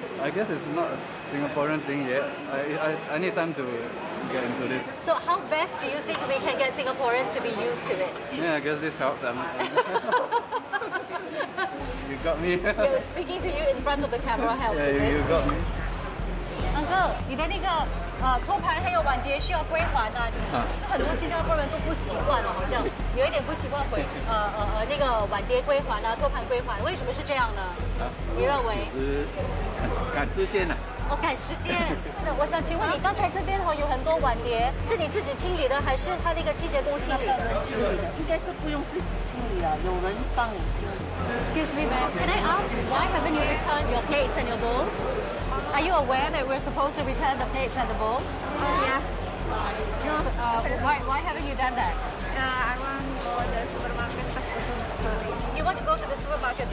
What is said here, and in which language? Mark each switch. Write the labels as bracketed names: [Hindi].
[English] I guess it's not a Singaporean thing yet. I need time to get into this. So how best do you think we can get Singaporeans to be used to it? Yeah, I guess this helps. You got me. You're speaking to you in front of the camera helps. Yeah, you got me. [Chinese] Uncle, 你的那个托盘还有碗碟需要归还啊，很多新加坡人都不习惯了，好像有一点不习惯归还那个碗碟归还啊，托盘归还，为什么是这样呢？你认为？赶时间啊。OK，时间。那我想请问你，刚才这边有很多碗碟，是你自己清理的，还是他那个清洁工清理的？应该是不用自己清理了，有人帮你清理。 [English] Excuse me, ma'am. Can I ask why haven't you returned your plates and your bowls? Are you aware that we're supposed to return the plates and the bowls? Why haven't you done that? I want to go to the supermarket first. You want to go to the supermarket first?